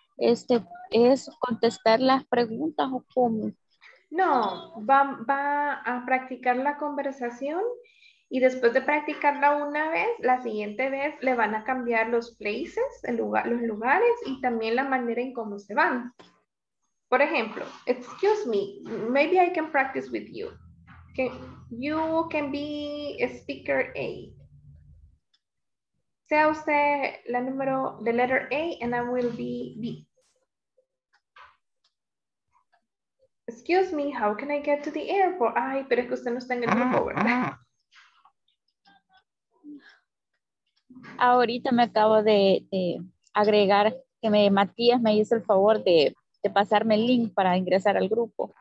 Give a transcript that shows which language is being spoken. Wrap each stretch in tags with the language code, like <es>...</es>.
<es>¿Es contestar las preguntas o cómo? No, va a practicar la conversación y después de practicarla una vez, la siguiente vez le van a cambiar los places, los lugares y también la manera en cómo se van. Por ejemplo,</es> <en>excuse me, maybe I can practice with you. Ok, You can be a speaker A.</en> <es>Sea usted la número,</es> <en>the letter A, and I will be B. Excuse me, how can I get to the airport?</en> <es>Ay, pero es que usted no está en el grupo, ¿verdad? Ahorita me acabo de agregar que Matías me hizo el favor de pasarme el link para ingresar al grupo.</es>